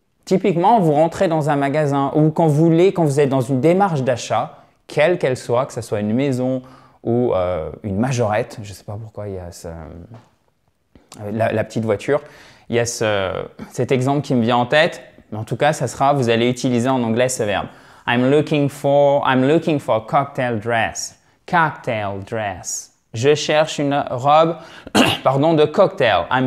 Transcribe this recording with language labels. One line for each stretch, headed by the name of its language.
French: Typiquement, vous rentrez dans un magasin ou quand vous êtes dans une démarche d'achat, quelle qu'elle soit, que ce soit une maison ou une majorette, je ne sais pas pourquoi il y a la petite voiture, il y a cet exemple qui me vient en tête, mais en tout cas, ça sera, vous allez utiliser en anglais ce verbe.
English: I'm looking for a cocktail dress. Cocktail dress.
French: Je cherche une robe, pardon, de cocktail.